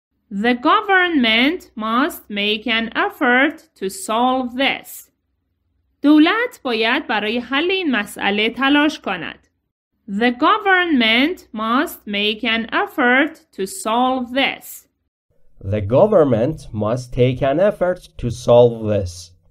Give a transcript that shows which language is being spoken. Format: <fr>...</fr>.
<en>The government must make an effort to solve this.</en> <fa>دولت باید برای حل این مسئله تلاش کند.</fa> <en>The government must make an effort to solve this. The government must take an effort to solve this.</en>